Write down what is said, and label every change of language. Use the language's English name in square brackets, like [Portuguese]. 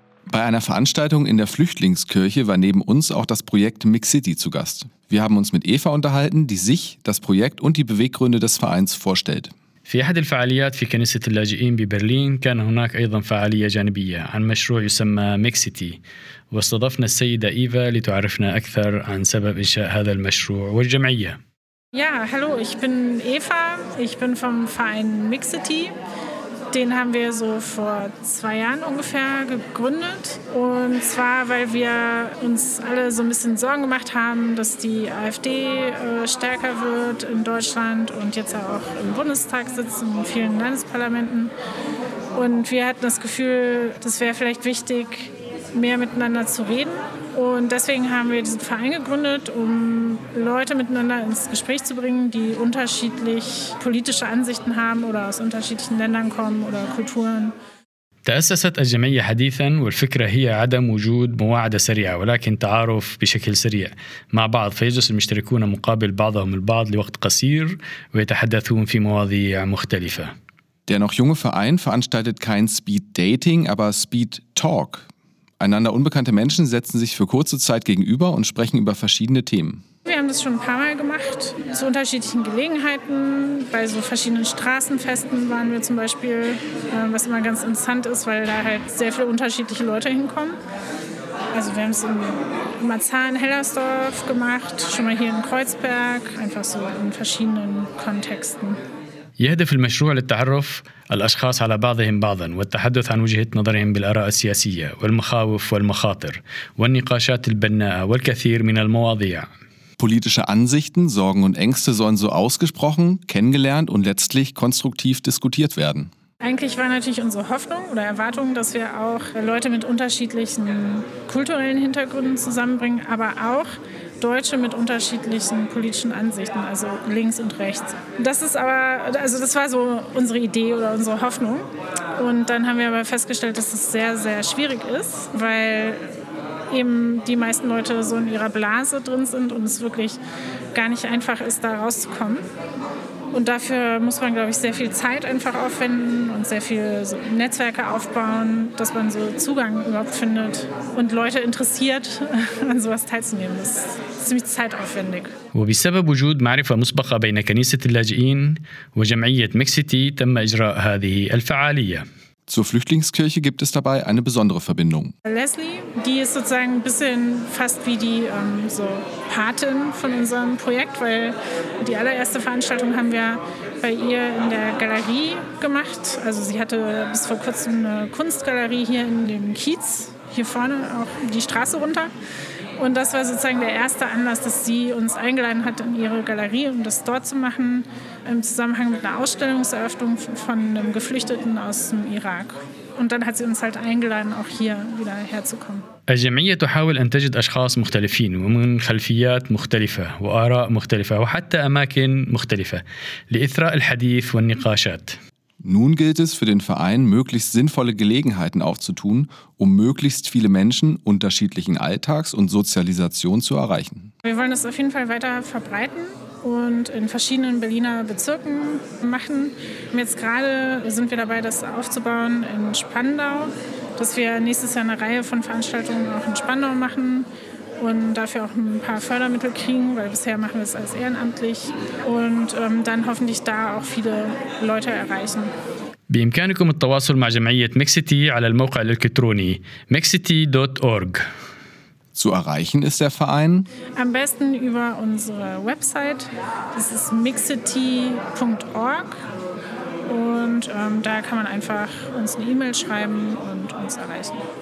[German] Bei einer Veranstaltung in der Flüchtlingskirche war neben uns auch das Projekt MixCity zu Gast. Wir haben uns mit Eva unterhalten, die sich, das Projekt und die Beweggründe des Vereins vorstellt. [Arabic] في أحد الفعاليات في كنيسة اللاجئين ببرلين كان هناك أيضا فعالية جانبية عن مشروع يسمى MixCity واستضفنا السيدة إيفا لتعرفنا أكثر عن سبب إنشاء هذا المشروع والجمعية. [German] Ja, hallo, ich bin Eva. Ich bin vom Verein MixCity. Den haben wir so vor 2 Jahren ungefähr gegründet. Und zwar, weil wir uns alle so ein bisschen Sorgen gemacht haben, dass die AfD stärker wird in Deutschland und jetzt ja auch im Bundestag sitzt und in vielen Landesparlamenten. Und wir hatten das Gefühl, das wäre vielleicht wichtig, mehr miteinander zu reden. Und deswegen haben wir diesen Verein gegründet, um Leute miteinander ins Gespräch zu bringen, die unterschiedlich politische Ansichten haben oder aus unterschiedlichen Ländern kommen oder Kulturen. [Arabic] تأسست الجمعية حديثاً والفكرة هي عدم وجود مواعدة سريعة ولكن تعارف بشكل سريع مع بعض فيجلس المشتركون مقابل بعضهم البعض لوقت قصير ويتحدثون في مواضيع مختلفة. [German] Der noch junge Verein veranstaltet kein Speed Dating, aber Speed Talk. Einander unbekannte Menschen setzen sich für kurze Zeit gegenüber und sprechen über verschiedene Themen. Wir haben das schon ein paar Mal gemacht, zu unterschiedlichen Gelegenheiten. Bei so verschiedenen Straßenfesten waren wir zum Beispiel, was immer ganz interessant ist, weil da halt sehr viele unterschiedliche Leute hinkommen. Also wir haben es in Marzahn-Hellersdorf gemacht, schon mal hier in Kreuzberg, einfach so in verschiedenen Kontexten. [Arabic] يهدف المشروع للتعرف الأشخاص على بعضهم بعضا والتحدث عن وجهة نظرهم بالآراء السياسية والمخاوف والمخاطر والنقاشات البناءة والكثير من المواضيع. [German] Politische Ansichten, Sorgen und Ängste sollen so ausgesprochen, kennengelernt und letztlich konstruktiv diskutiert werden. Eigentlich war natürlich unsere Hoffnung oder Erwartung, dass wir auch Leute mit unterschiedlichen kulturellen Hintergründen zusammenbringen, aber auch Deutsche mit unterschiedlichen politischen Ansichten, also links und rechts. Das war so unsere Idee oder unsere Hoffnung. Und dann haben wir aber festgestellt, dass es sehr, sehr schwierig ist, weil eben die meisten Leute so in ihrer Blase drin sind und es wirklich gar nicht einfach ist, da rauszukommen. Und dafür muss man, glaube ich, sehr viel Zeit einfach aufwenden und sehr viel so Netzwerke aufbauen, dass man so Zugang überhaupt findet und Leute interessiert, an sowas teilzunehmen. Das ist ziemlich zeitaufwendig. [Arabic] وبسبب وجود معرفة مسبقة بين كنيسة اللاجئين وجمعية MixCity تم إجراء هذه الفعالية. [German] Zur Flüchtlingskirche gibt es dabei eine besondere Verbindung. Leslie, die ist sozusagen ein bisschen fast wie die Patin von unserem Projekt, weil die allererste Veranstaltung haben wir bei ihr in der Galerie gemacht. Also sie hatte bis vor kurzem eine Kunstgalerie hier in dem Kiez, hier vorne auch die Straße runter. Und das war sozusagen der erste Anlass, dass sie uns eingeladen hat in ihre Galerie, um das dort zu machen, im Zusammenhang mit einer Ausstellungseröffnung von einem Geflüchteten aus dem Irak. Und dann hat sie uns halt eingeladen, auch hier wieder herzukommen. [Arabic] الجمعية تحاول أن تجد أشخاص مختلفين ومن خلفيات مختلفة وآراء مختلفة وحتى أماكن مختلفة لإثراء الحديث والنقاشات. [German] Nun gilt es für den Verein, möglichst sinnvolle Gelegenheiten aufzutun, um möglichst viele Menschen unterschiedlichen Alltags und Sozialisation zu erreichen. Wir wollen das auf jeden Fall weiter verbreiten und in verschiedenen Berliner Bezirken machen. Jetzt gerade sind wir dabei, das aufzubauen in Spandau, dass wir nächstes Jahr eine Reihe von Veranstaltungen auch in Spandau machen. Und dafür auch ein paar Fördermittel kriegen, weil bisher machen wir es als ehrenamtlich. Und dann hoffentlich da auch viele Leute erreichen. [Arabic] بإمكانكم التواصل مع جمعية MixCity على الموقع الإلكتروني mixcity.org. [German] Zu erreichen ist der Verein am besten über unsere Website. Das ist mixcity.org. Und da kann man einfach uns eine E-Mail schreiben und uns erreichen.